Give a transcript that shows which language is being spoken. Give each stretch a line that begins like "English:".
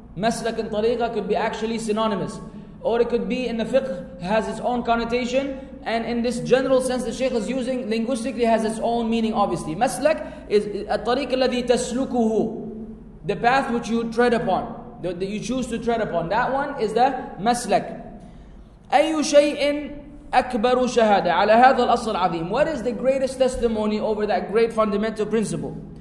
English: Maslak and tariqah could be actually synonymous. Or it could be in the fiqh, has its own connotation. And in this general sense, the Shaykh is using linguistically has its own meaning, obviously. Maslak is a tariqah
Arabic: الذي تسلكه,
English: the path which you tread upon, that you choose to tread upon. That one is the maslak.
Arabic: أي شيء أكبر شهادة على هذا الأصل العظيم.
English: What is the greatest testimony over that great fundamental principle?